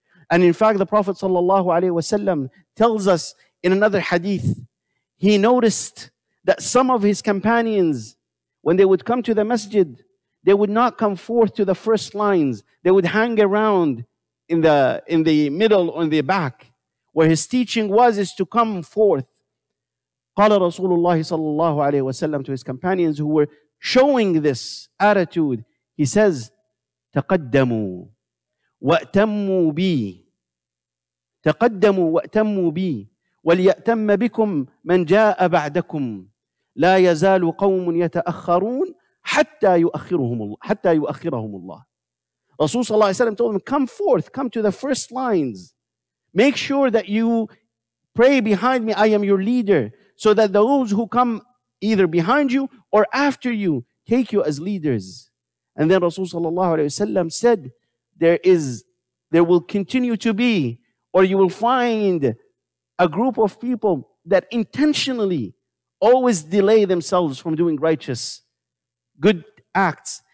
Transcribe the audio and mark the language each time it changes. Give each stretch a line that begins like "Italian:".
English: And in fact, the Prophet sallallahu alayhi wa sallam tells us in another hadith, he noticed that some of his companions, when they would come to the masjid, they would not come forth to the first lines. They would hang around in the middle or in the back. Where his teaching was is to come forth.
Arabic: قال رسول الله صلى الله عليه وسلم
English: to his companions who were showing this attitude. He says,
Arabic: تقدموا وأتموا بي. تقدموا وأتموا بي. وليأتم بكم من جاء بعدكم لا يزال قوم يتأخرون حتى يؤخرهم الله.
English: Rasul sallallahu alayhi wa sallam told him, come forth, come to the first lines. Make sure that you pray behind me, I am your leader, so that those who come either behind you or after you take you as leaders. And then Rasul sallallahu alayhi wa sallam said, there will continue to be, or you will find a group of people that intentionally always delay themselves from doing righteous, good acts.